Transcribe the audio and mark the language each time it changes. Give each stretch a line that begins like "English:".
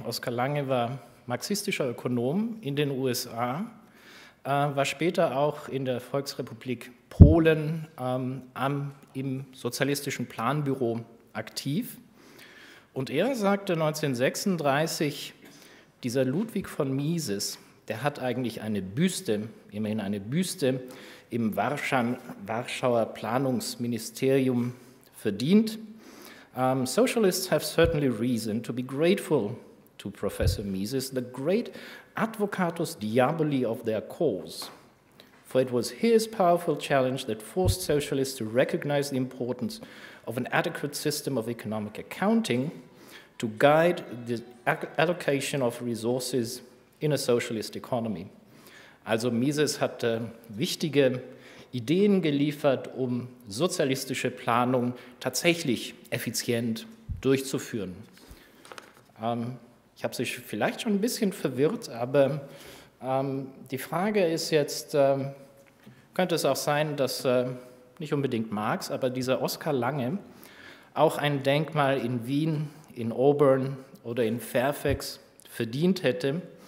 German: Oskar Lange war marxistischer Ökonom in den USA, war später auch in der Volksrepublik Polen im sozialistischen Planbüro aktiv. Und er sagte 1936, dieser Ludwig von Mises, der hat eigentlich eine Büste, immerhin eine Büste, im Warschauer Planungsministerium verdient.
English: Socialists have certainly reason to be grateful to Professor Mises, the great advocatus diaboli of their cause. For it was his powerful challenge that forced socialists to recognize the importance of an adequate system of economic accounting to guide the allocation of resources in a socialist economy.
German: Also Mises hat wichtige Ideen geliefert, um sozialistische Planung tatsächlich effizient durchzuführen. Ich habe Sie vielleicht schon ein bisschen verwirrt, aber die Frage ist jetzt, könnte es auch sein, dass nicht unbedingt Marx, aber dieser Oskar Lange auch ein Denkmal in Wien, in Auburn oder in Fairfax verdient hätte.